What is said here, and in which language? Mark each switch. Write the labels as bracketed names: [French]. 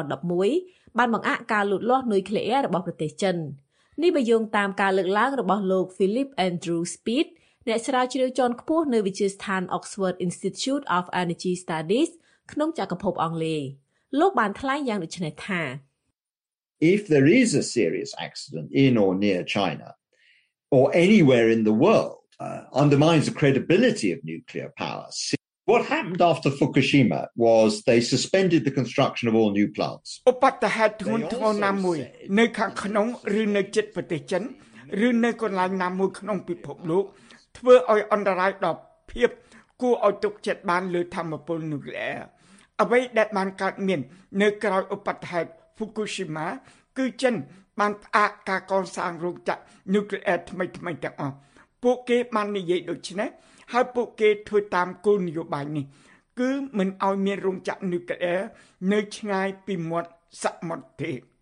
[Khmer] 2011បានបង្អាក់ការលូតលាស់នុយក្លេអ៊ែររបស់ប្រទេសចិននេះបញ្ជាក់តាមការលើកឡើងរបស់លោក Philip Andrew Speed អ្នកស្រាវជ្រាវជាន់ខ្ពស់នៅវិទ្យាស្ថាន Oxford Institute of Energy Studies ក្នុងចក្រភពអង់គ្លេសលោកបានថ្លែងយ៉ាងដូចនេះថា [English] If there is a serious accident in or near China or anywhere in the world undermines the credibility of nuclear power. What happened after Fukushima was they suspended the construction of all new plants. [Khmer] ឧបតហេតុធ្ងន់ធ្ងរណាមួយនៅខាងក្នុងឬនៅជិតប្រទេសចិនឬនៅកន្លែងណាមួយក្នុងពិភពលោកធ្វើឲ្យអន្តរាយដល់ភាពគួរឲ្យទុកចិត្តបានលើធម្មពលនុក្លេអ៊ែរ អ្វីដែលបានកើតមាននៅក្រោយឧបតហេតុ Fukushima គឺចិនបានផ្អាកការកសាងរោងចក្រនុក្លេអ៊ែរថ្មីៗទាំងអស់ពួកគេបាននិយាយដូច្នេះហើយពួកគេធ្វើតាមគោលនយោបាយនេះគឺមិនឲ្យមានរោងចក្រនុក្លេអ៊ែរនៅឆ្ងាយពីមាត់សមុទ្រទេ